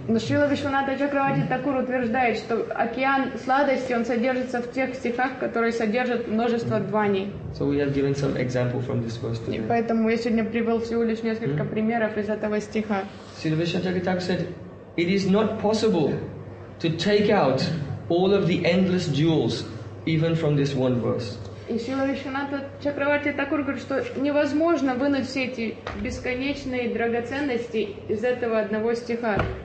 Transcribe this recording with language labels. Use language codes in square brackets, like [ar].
[ru] Но Srila Vishwanatha Chakravarti Thakur утверждает, что океан сладости он содержится в тех стихах, которые содержат множество дваний. [en] So we have given some example from this verse today. [ru] И поэтому я сегодня привел всего лишь несколько примеров из этого стиха. [en] Srila Vishnuchak Thakur said, it is not possible to take out all of the endless jewels, even from this one verse. [ru] И Шрила Вишванатха Чакраварти Такур говорит, что невозможно вынуть все эти бесконечные драгоценности из этого одного стиха.